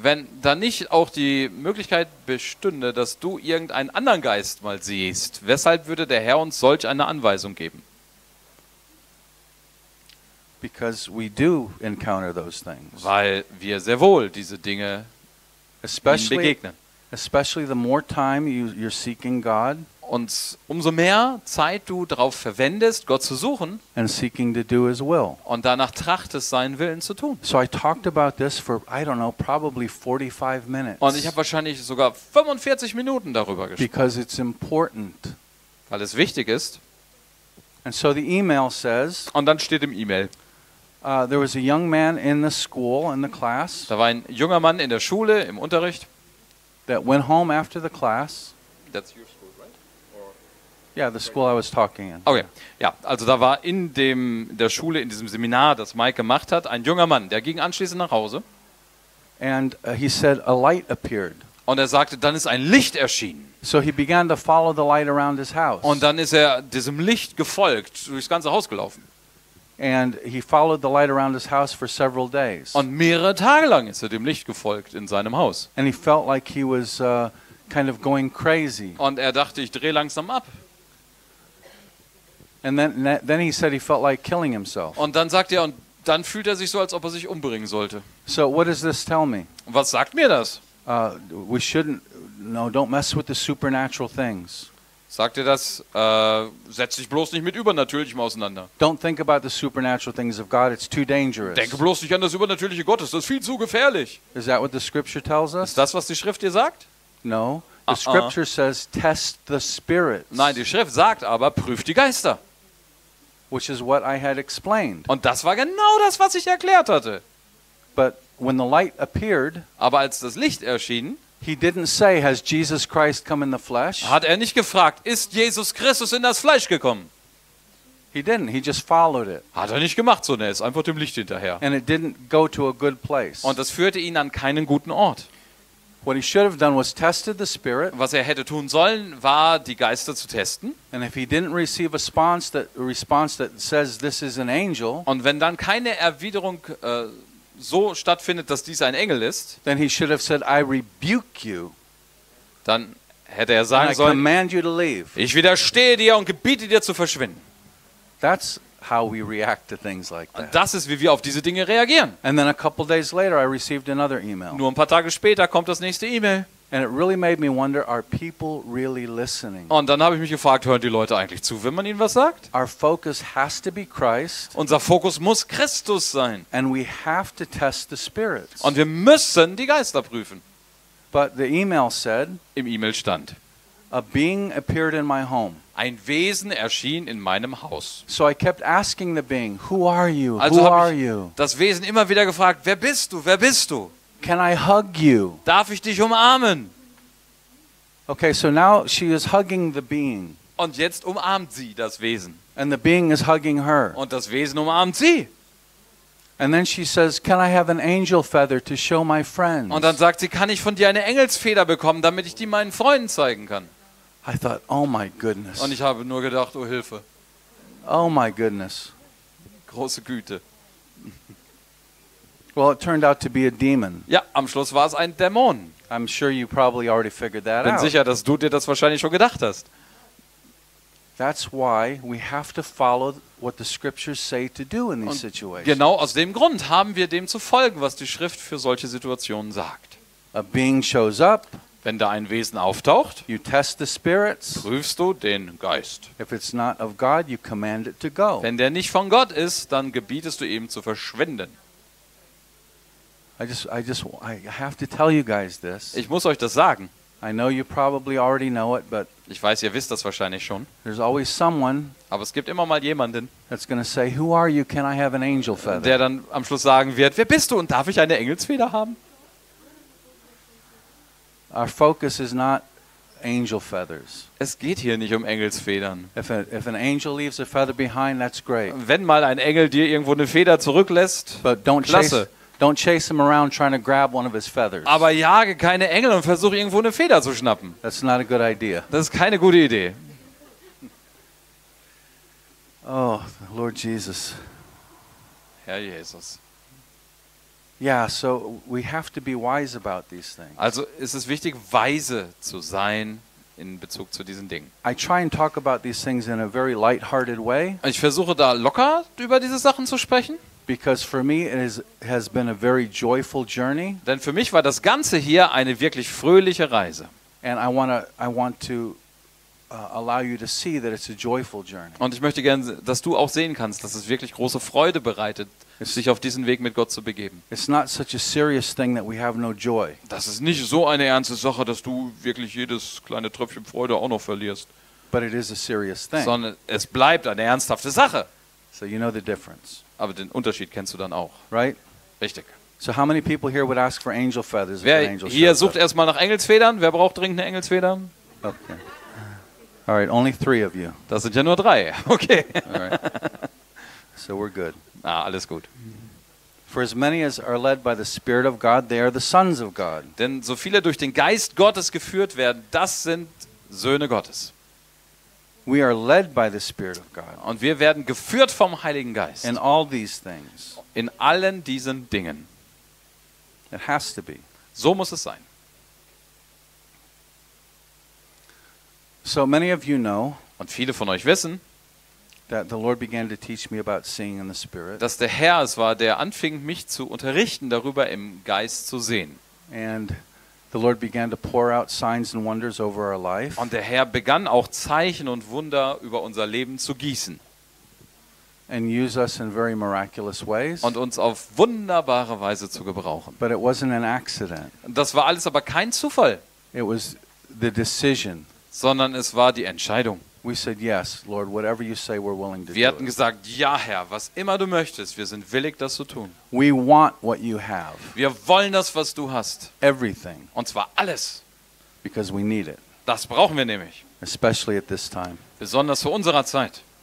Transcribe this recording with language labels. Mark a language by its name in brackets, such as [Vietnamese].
[German] Wenn da nicht auch die Möglichkeit bestünde, dass du irgendeinen anderen Geist mal siehst, weshalb würde der Herr uns solch eine Anweisung geben? [English] Because we do encounter those things. [German] Weil wir sehr wohl diese Dinge begegnen. [English] Especially the more time you're seeking God. [German] Und umso mehr Zeit du darauf verwendest, Gott zu suchen [English] and seeking to do his will. [German] Und danach trachtest, seinen Willen zu tun. [English] So I talked about this for, I don't know, probably 45 minutes. [German] Und ich habe wahrscheinlich sogar 45 Minuten darüber gesprochen. [English] Because it's important. [German] Weil es wichtig ist. [English] And so the email says, [German] und dann steht im E-Mail, [English] there was a young man in the school, in the class, [German] da war ein junger Mann in der Schule, im Unterricht, [English] that went home after the class. That's your school, right? Or yeah, the school I was talking in. Okay. [German] Ja, also da war in dem der Schule, in diesem Seminar, das Mike gemacht hat, ein junger Mann, der ging anschließend nach Hause. [English] And he said a light appeared. [German] Und er sagte, dann ist ein Licht erschienen. [English] So he began to follow the light around his house. [German] Und dann ist er diesem Licht gefolgt, durchs ganze Haus gelaufen. [English] And he followed the light around his house for several days. [German] Und mehrere Tage lang ist er dem Licht gefolgt in seinem Haus. [English] And he felt like he was kind of going crazy. [German] Und er dachte, ich drehe langsam ab. [English] And then he said he felt like killing himself. [German] Und dann sagt er, und dann fühlt er sich so, als ob er sich umbringen sollte. [English] So what does this tell me? [German] Was sagt mir das? [English] We shouldn't, no, don't mess with the supernatural things. [German] Sagt ihr das, setz dich bloß nicht mit Übernatürlichem auseinander. [English] Don't think about the supernatural things of God, it's too dangerous. [German] Denke bloß nicht an das Übernatürliche Gottes, das ist viel zu gefährlich. [English] Is that what the scripture tells us? [German] Ist das, was die Schrift dir sagt? [English] No, the scripture says test the spirits. [German] Nein, die Schrift sagt aber, prüf die Geister. [English] Which is what I had explained. [German] Und das war genau das, was ich erklärt hatte. [English] But when the light appeared, [German] aber als das Licht erschien, [English] he didn't say, has Jesus Christ come in the flesh? [German] Hat er nicht gefragt, ist Jesus Christus in das Fleisch gekommen? [English] He didn't, he just followed it. [German] Hat er nicht gemacht, sondern er ist einfach dem Licht hinterher. [English] And it didn't go to a good place. [German] Und das führte ihn an keinen guten Ort. [English] What he should have done was tested the spirit. [German] Was er hätte tun sollen, war die Geister zu testen. [English] And if he didn't receive a response that says this is an angel, [German] und wenn dann keine Erwiderung so stattfindet, dass dies ein Engel ist, [English] then he should have said, I rebuke you. [German] Dann hätte er sagen sollen, [English] I command you to leave. [German] Ich widerstehe dir und gebiete dir zu verschwinden. [English] That's how we react to things like that. [German] Das ist, wie wir auf diese Dinge reagieren. [English] And then a couple days later, I received another email. [German] Nur ein paar Tage später kommt das nächste E-Mail. [English] And it really made me wonder, are people really listening? [German] Und dann habe ich mich gefragt, hören die Leute eigentlich zu, wenn man ihnen was sagt? [English] Our focus has to be Christ. [German] Unser Fokus muss Christus sein. [English] And we have to test the spirits. [German] Und wir müssen die Geister prüfen. [English] But the email said, [German] im E-Mail stand, [English] a being appeared in my home. [German] Ein Wesen erschien in meinem Haus. [English] So I kept asking the being, who are you? [German] Also [English] who are you? [German] Das Wesen immer wieder gefragt, wer bist du? Wer bist du? [English] Can I hug you? [German] Darf ich dich umarmen? [English] Okay, so now she is hugging the being. [German] Und jetzt umarmt sie das Wesen. [English] And the being is hugging her. [German] Und das Wesen umarmt sie. [English] And then she says, "Can I have an angel feather to show my friends?" [German] Und dann sagt sie, kann ich von dir eine Engelsfeder bekommen, damit ich die meinen Freunden zeigen kann? [English] I thought, "Oh my goodness." [German] Und ich habe nur gedacht, oh Hilfe. [English] Oh my goodness. [German] Große Güte. [English] Well, it turned out to be a demon. [German] Ja, am Schluss war es ein Dämon. [English] I'm sure you probably already figured that out. [German] Bin sicher, dass du dir das wahrscheinlich schon gedacht hast. [English] That's why we have to follow what the scriptures say to do in these situations. [German] Genau aus dem Grund haben wir dem zu folgen, was die Schrift für solche Situationen sagt. [English] A being shows up. [German] Wenn da ein Wesen auftaucht, [English] you test the spirits. [German] Prüfst du den Geist. [English] If it's not of God, you command it to go. [German] Wenn der nicht von Gott ist, dann gebietest du ihm zu verschwinden. [English] I have to tell you guys this. [German] Ich muss euch das sagen. [English] I know you probably already know it, but [German] ich weiß, ihr wisst das wahrscheinlich schon. [English] There's always someone. [German] Aber es gibt immer mal jemanden. [English] That's going to say, "Who are you? Can I have an angel feather?" [German] Der dann am Schluss sagen wird, wer bist du und darf ich eine Engelsfeder haben? [English] Our focus is not angel feathers. [German] Es geht hier nicht um Engelsfedern. [English] If an angel leaves a feather behind, that's great. [German] Wenn mal ein Engel dir irgendwo eine Feder zurücklässt, [English] but don't [German] klasse. [English] Don't chase him around trying to grab one of his feathers. [German] Aber jage keine Engel und versuche irgendwo eine Feder zu schnappen. [English] That's not a good idea. [German] Das ist keine gute Idee. [English] Oh, Lord Jesus. [German] Herr Jesus. [English] Yeah, so we have to be wise about these things. [German] Also, ist es wichtig, weise zu sein in Bezug zu diesen Dingen. [English] I try and talk about these things in a very light-hearted way. [German] Ich versuche da locker über diese Sachen zu sprechen. [English] Because for me it has been a very joyful journey. [German] Denn für mich war das Ganze hier eine wirklich fröhliche Reise. [English] And I want to allow you to see that it's a joyful journey. [German] Und ich möchte gerne, dass du auch sehen kannst, dass es wirklich große Freude bereitet, sich auf diesen Weg mit Gott zu begeben. [English] It's not such a serious thing that we have no joy. [German] Das ist nicht so eine ernste Sache, dass du wirklich jedes kleine Tröpfchen Freude auch noch verlierst. [English] But it is a serious thing. [German] Sondern es bleibt eine ernsthafte Sache. [English] So you know the difference. [German] Aber den Unterschied kennst du dann auch. [English] Right? [German] Richtig. [English] So how many people here would ask for angel feathers? [German] Wer hier sucht erstmal nach Engelsfedern? Wer braucht dringend eine Engelsfeder? [English] Okay. All right, only three of you. [German] Das sind ja nur drei. Okay. All [English] right. So we're good. [German] Ah, alles gut. [English] For as many as are led by the Spirit of God, they are the sons of God. [German] Denn so viele durch den Geist Gottes geführt werden, das sind Söhne Gottes. [English] We are led by the Spirit of God. [German] Und wir werden geführt vom Heiligen Geist. [English] In all these things. [German] In allen diesen Dingen. [English] It has to be. [German] So muss es sein. [English] So many of you know, [German] und viele von euch wissen, [English] that the Lord began to teach me about seeing in the Spirit. [German] Dass der Herr es war, der anfing, mich zu unterrichten darüber, im Geist zu sehen. [English] And the Lord began to pour out signs and wonders over our life. [German] Und der Herr begann auch Zeichen und Wunder über unser Leben zu gießen. [English] And use us in very miraculous ways. [German] Und uns auf wunderbare Weise zu gebrauchen. [English] But it wasn't an accident. [German] Das war alles aber kein Zufall. [English] It was the decision. [German] Sondern es war die Entscheidung. [English] We said yes, Lord, whatever you say, we're willing to do. [German] Wir hatten gesagt, ja, Herr, was immer du möchtest, wir sind willig, das zu tun. [English] We want what you have. [German] Wir wollen das, was du hast. [English] Everything. [German] Und zwar alles. [English] Because we need it. [German] Das brauchen wir nämlich. [English] Especially at this time. [German] Besonders zu unserer Zeit.